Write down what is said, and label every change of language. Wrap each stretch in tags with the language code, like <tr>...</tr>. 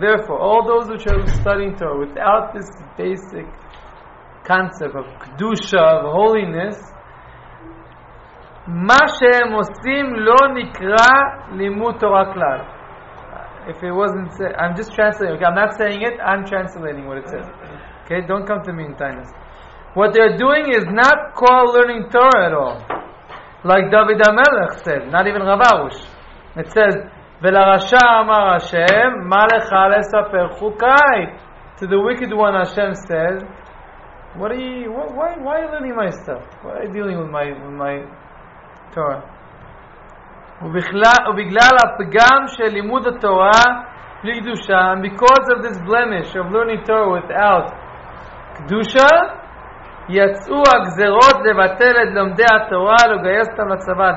<en>Therefore, all those which are studying Torah without this basic concept of Kedusha, of holiness,</en> <he>מה שהם עושים לא נקרא לימוד תורה כלל.</he> <en>If it wasn't said, I'm just translating. Okay, I'm not saying it, I'm translating what it says. Okay, don't come to me in Tainus. What they're doing is not called learning Torah at all. Like David HaMelech said, not even Rav Arush. It says,</en> <he>ולרשע אמר השם, מה לך לספר חוקי?</he> <en>To the wicked one Hashem said, why are you learning my stuff? Why are you dealing with my Torah.</en> <he>ובגלל הפגם של לימוד התורה בלי קדושה,</he> <en>because of this blemish of learning Torah without</en> <he>קדושה, יצאו הגזרות לבטל את לומדי התורה לגייס אותם לצבא.</he>